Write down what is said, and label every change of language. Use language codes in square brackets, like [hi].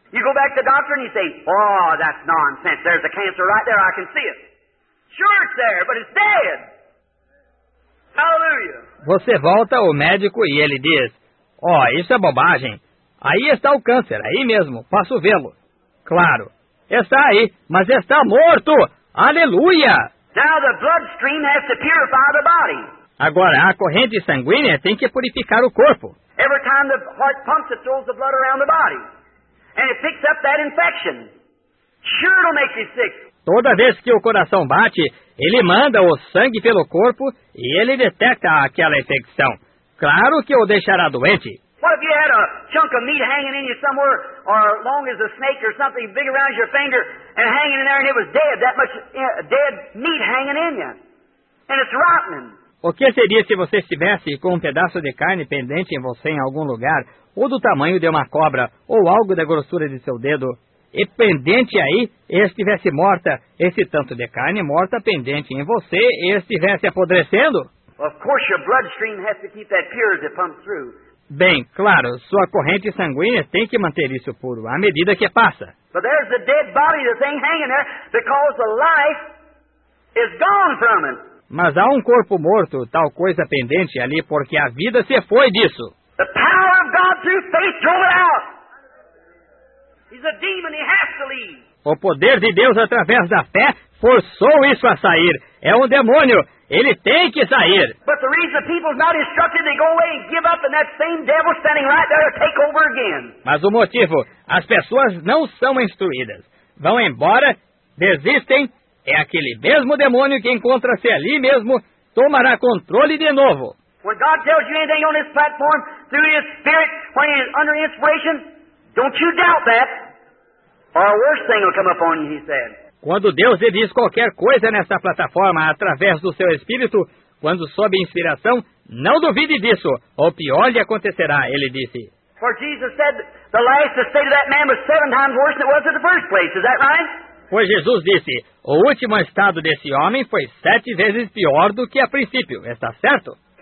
[en] You go back to the doctor and you say, oh, that's nonsense. There's a cancer right there. I can see it. Sure it's there, but it's dead. Hallelujah. [pt] Você volta ao médico e ele diz, oh, isso é bobagem. Aí está o câncer, aí mesmo. Posso vê-lo. Claro. Está aí, mas está morto. Aleluia. [en] Now the bloodstream has to purify the body. [pt] Agora, a corrente sanguínea tem que purificar o corpo. [en] Every time the heart pumps, it throws the blood around the body. And it picks up that infection. Sure it'll make you sick. [pt] Toda vez que o coração bate, ele manda o sangue pelo corpo e ele detecta aquela infecção. Claro que o deixará doente. [en] What if you had a chunk of meat hanging in you somewhere, or long as a snake or something big around your finger, and hanging in there and it was dead, that much dead meat hanging in you. And it's rotten. [pt] O que seria se você estivesse com um pedaço de carne pendente em você em algum lugar, ou do tamanho de uma cobra, ou algo da grossura de seu dedo, e pendente aí, e estivesse morta, esse tanto de carne morta pendente em você, e estivesse apodrecendo? [en] Of course your bloodstream has to keep that pure as it pumps through. [pt] Bem, claro, sua corrente sanguínea tem que manter isso puro, à medida que passa. [en] But there's the dead body, the thing hanging there, because the life is gone from it. [pt] Mas há um corpo morto, tal coisa pendente ali, porque a vida se foi disso. [en] The power of God through faith threw it out. He's a demon, he has to leave. [pt] O poder de Deus através da fé forçou isso a sair. É um demônio, ele tem que sair. [en] But the reason the people's not instructed, they go away and give up, and that same devil standing right there to take over again. [pt] Mas o motivo, as pessoas não são instruídas. Vão embora, desistem. É aquele mesmo demônio que encontra-se ali mesmo, tomará controle de novo. [en] When God tells you anything on this platform, through His Spirit, when He is under inspiration, don't you doubt that. Or a worse thing will come upon you, He said. [pt] Quando Deus lhe diz qualquer coisa nessa plataforma através do seu Espírito, quando sob inspiração, não duvide disso. O pior lhe acontecerá, ele disse. [en] For Jesus said the last estate of that man was seven times worse than it was in the first place. Is that right? [pt] Pois Jesus disse, o último estado desse homem foi sete vezes pior do que a princípio. Está certo?